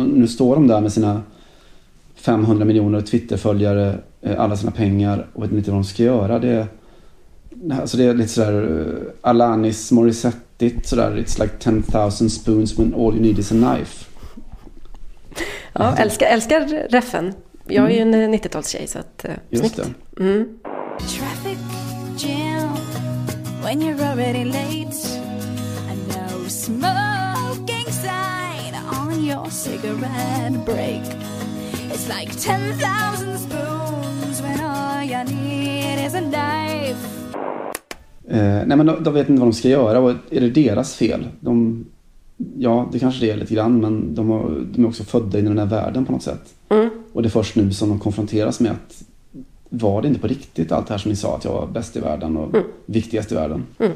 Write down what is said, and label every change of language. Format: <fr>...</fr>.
<sv>Och nu står de där med sina 500 miljoner Twitterföljare, alla sina pengar och vet inte vad de ska göra. Det är lite sådär Alanis Morissette-igt, sådär, it's like 10,000 spoons when all you need is a knife. Ja, älskar reffen. Jag är ju en 90-talstjej, så att just det.</sv> <en>Traffic jam when you're already late. A no smoking sign on your cigarette break. It's like 10,000 spoons when all you need is a knife.</en> <sv>Nej, men de vet inte vad de ska göra. Är det deras fel? Ja, det kanske det är lite grann, men de är också födda in i den här världen på något sätt. Och det är först nu som de konfronteras med att var det inte på riktigt allt det här som ni sa, att jag var bäst i världen och viktigast i världen.</sv>